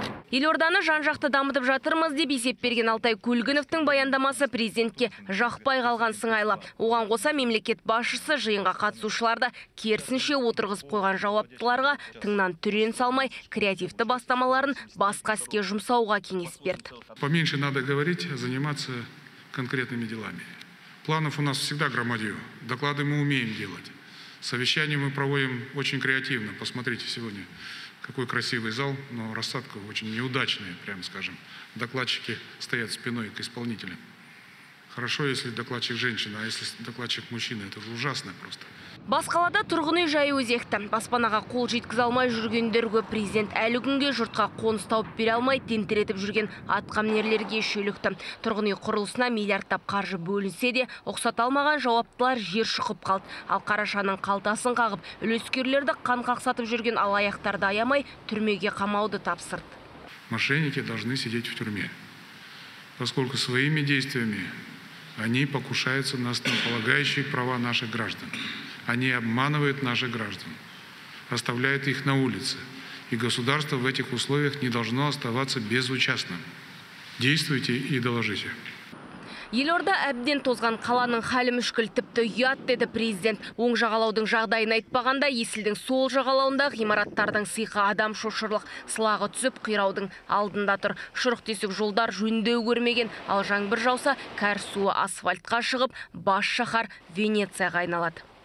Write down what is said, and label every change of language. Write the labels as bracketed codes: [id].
[kk] Елорданы жан-жақты дамытып жатырмыз деп есеп берген Алтай Көлгіновтың баяндамасы президентке жақпай қалған сыңайлы. Оған қоса мемлекет басшысы жиынға қатысушыларды керісінше отырғызып қойған жауаптыларға тыңнан түрен салмай, креативті бастамаларын басқа іске жұмсауға кеңес берді. [ru] Поменьше надо говорить, заниматься конкретными делами. Планов у нас всегда громадью. Доклады мы умеем делать. Совещания мы проводим очень креативно. Посмотрите сегодня. Какой красивый зал, но рассадка очень неудачная, прямо скажем. Докладчики стоят спиной к исполнителям. Хорошо, если докладчик женщина, а если докладчик мужчина, это же ужасно просто. [kk] Бас қалада тұрғын үй жайы өзекті. Баспанаға қол жеткіз алмай жүргендер көп. Президент әлі күнге жұртқа қоныс тауып бере алмай тентіретіп жүрген атқамінерлерге шөлікті. Тұрғын үй құрылысына миллиардтап қаржы бөлінсе де ұқсат алмаған жауаптылар жер шұқып қалды. Ал қарашаның қалтасын қағып үлескерлерді қан қақсатып жүрген алаяқтарды аямай түрмеге қамауды тапсырды. [ru] Мошенники должны сидеть в тюрьме, поскольку своими действиями они покушаются на основополагающие права наших граждан. Они обманывают наших граждан, оставляют их на улице. И государство в этих условиях не должно оставаться безучастным. Действуйте и доложите. [kk] Елорда әбден тозған қаланың халі мүшкіл тіпті ұят, деді президент. Оң жағалаудың жағдайын айтпағанда, Есілдің сол жағалауында ғимараттардың сиқы адам шошырлық, сылағы түсіп қираудың алдында тұр. Шұрық тесік жолдар жөндеу көрмеген, ал жаңбыр жауса, кәр суы асфальтқа шығып, бас шаһар Венецияға айналады.